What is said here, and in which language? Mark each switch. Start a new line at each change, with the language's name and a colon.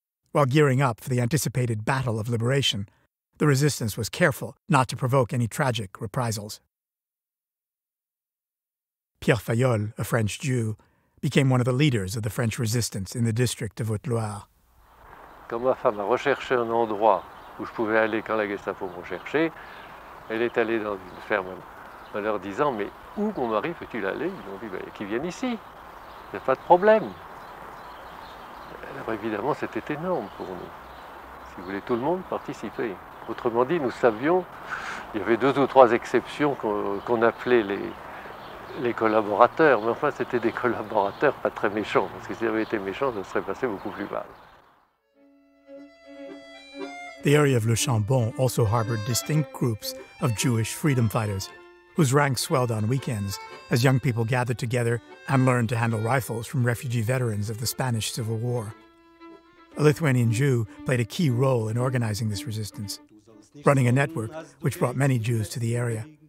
English: While gearing up for the anticipated Battle of Liberation, the resistance was careful not to provoke any tragic reprisals. Pierre Fayol, a French Jew, became one of the leaders of the French resistance in the district of Haute-Loire.
French: Quand ma femme a recherché un endroit où je pouvais aller quand la Gestapo me recherchait, elle est allée dans une ferme en leur disant, mais où mon mari peut-il aller? Ils m'ont dit, ben, qu'il vienne ici, il n'y a pas de problème. Alors évidemment, c'était énorme pour nous. Si vous voulez, tout le monde participait. Autrement dit, nous savions, il y avait deux ou trois exceptions qu'on appelait les collaborateurs, mais enfin, c'était des collaborateurs pas très méchants, parce que s'ils avaient été méchants, ça serait passé beaucoup plus mal.
English: The area of Le Chambon also harbored distinct groups of Jewish freedom fighters, whose ranks swelled on weekends as young people gathered together and learned to handle rifles from refugee veterans of the Spanish Civil War. A Lithuanian Jew played a key role in organizing this resistance, running a network which brought many Jews to the area.